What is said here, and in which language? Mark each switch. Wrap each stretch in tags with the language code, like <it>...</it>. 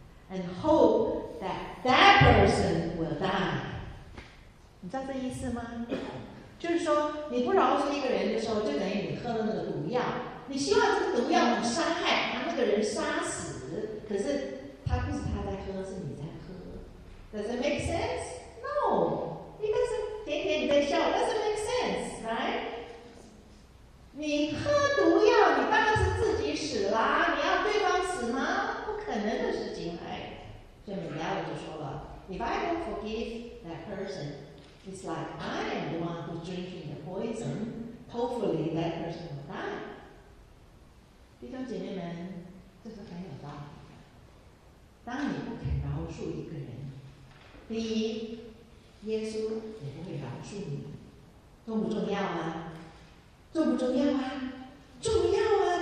<en>And hope that that person will die.</en> <zh>你知道这意思吗？就是说，你不饶恕一个人的时候，就等于你喝了那个毒药。你希望这个毒药能伤害他，那个人杀死。可是他不是他在喝，是你在喝。</zh> <en>Does it make sense? No.</en> <zh>一个是甜甜你在笑</zh> <en>，doesn't make sense, right?</en> <zh>你喝毒药，你当然是自己死了。你要对方死吗？不可能的事。所以 Mandela 就说了</zh> <en>If I don't forgive that person, it's like I am the one who's drinking the poison. Hopefully that person will die.</en> <zh>弟兄姐妹们，这是很有道理的。当你不肯饶恕一个人，第一，耶稣也不会饶恕你。重不重要啊？重不重要啊？重要啊！</zh>